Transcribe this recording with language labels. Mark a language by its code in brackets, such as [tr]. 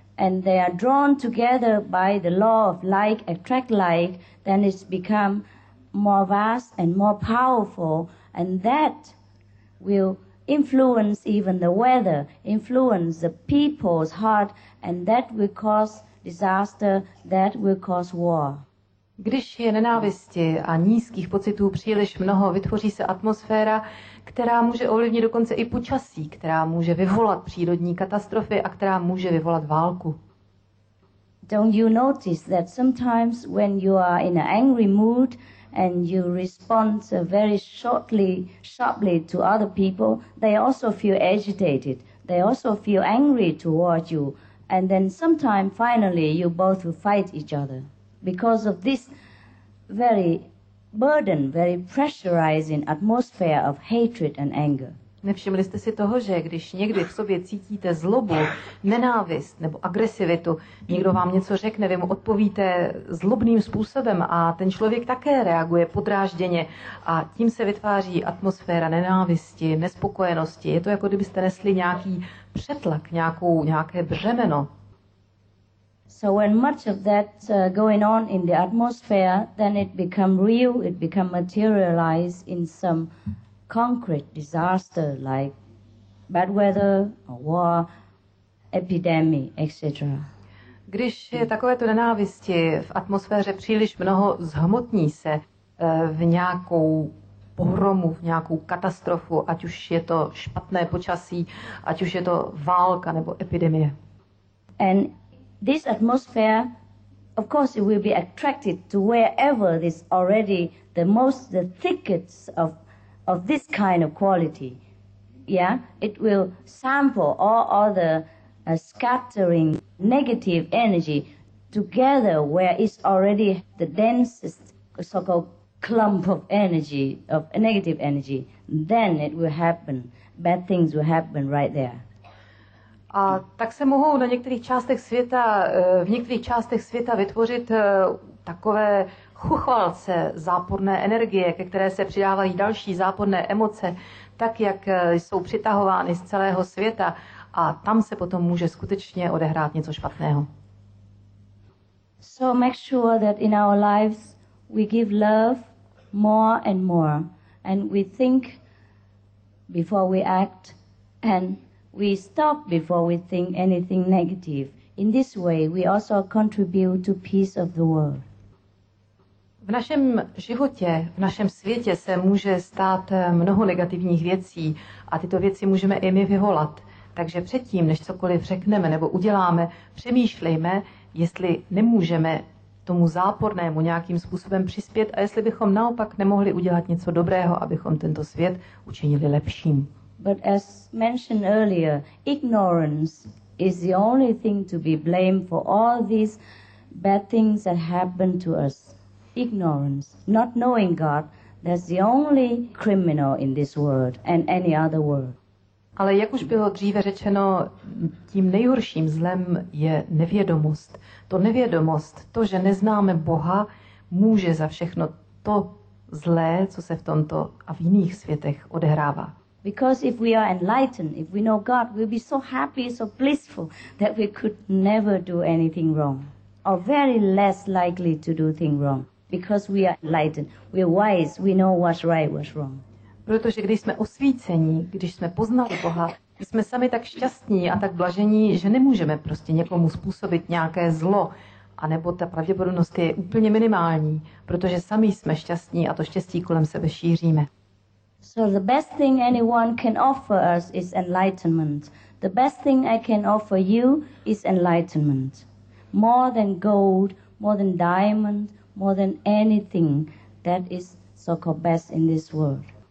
[en] and they are drawn together by the law of like attract like, then it's become more vast and more powerful, and that will influence even the weather, influence the people's heart, and that will cause disaster, that will cause war. [cs] Když je nenávisti a nízkých pocitů příliš mnoho, vytvoří se atmosféra, která může ovlivnit dokonce i počasí, která může vyvolat přírodní katastrofy a která může vyvolat válku. [en] Don't you notice that sometimes when you are in an angry mood and you respond very shortly, sharply to other people, they also feel agitated. They also feel angry toward you. And then sometime finally you both will fight each other. Because of this very burden, very pressurizing atmosphere of hatred and anger. [cs] Nevšimli jste si toho, že když někdy v sobě cítíte zlobu, nenávist nebo agresivitu, někdo vám něco řekne, vy mu odpovíte zlobným způsobem a ten člověk také reaguje podrážděně a tím se vytváří atmosféra nenávisti, nespokojenosti. Je to jako kdybyste nesli nějaký přetlak, nějaké břemeno. [en] So when much of that going on in the atmosphere, then it become real, it become materialized in some concrete disaster like bad weather, war, epidemic, etc. [cs] Když je takovéto nenávisti v atmosféře příliš mnoho, zhmotní se v nějakou pohromu, v nějakou katastrofu, ať už je to špatné počasí, ať už je to válka nebo epidemie. [en] And this atmosphere, of course, it will be attracted to wherever this already the most, the thickest of this kind of quality. Yeah, it will sample all other scattering negative energy together where it's already the densest so-called clump of energy, of negative energy. Then it will happen. Bad things will happen right there. [cs] A tak se mohou na některých částech světa, v některých částech světa vytvořit takové chuchvalce záporné energie, ke které se přidávají další záporné emoce, tak jak jsou přitahovány z celého světa, a tam se potom může skutečně odehrát něco špatného. [en] So make sure that in our lives we give love more and more, and we think before we act, and we stop before we think anything negative. In this way, we also contribute to peace of the world. [cs] V našem životě, v našem světě se může stát mnoho negativních věcí a tyto věci můžeme i my vyvolat. Takže předtím, než cokoliv řekneme nebo uděláme, přemýšlejme, jestli nemůžeme tomu zápornému nějakým způsobem přispět a jestli bychom naopak nemohli udělat něco dobrého, abychom tento svět učinili lepším. [en] But as mentioned earlier, ignorance is the only thing to be blamed for all these bad things that happen to us. Ignorance, not knowing God, that's the only criminal in this world and any other world. [cs] Ale jak už bylo dříve řečeno, tím nejhorším zlem je nevědomost. To nevědomost, to, že neznáme Boha, může za všechno to zlé, co se v tomto a v jiných světech odehrává. [en] Because if we are enlightened, if we know God, we'll be so happy, so blissful that we could never do anything wrong, or very less likely to do things wrong. Because we are enlightened, we are wise, we know what's right, what's wrong. [cs] Protože když jsme osvíceni, když jsme poznali Boha, jsme sami tak šťastní a tak blažení, že nemůžeme prostě někomu způsobit nějaké zlo, anebo ta pravděpodobnost je úplně minimální, protože sami jsme šťastní a to štěstí kolem sebe šíříme. [en] So the best thing anyone can offer us is enlightenment. The best thing I can offer you is enlightenment. More than gold, more than diamond, more than anything that is so-called best in this world.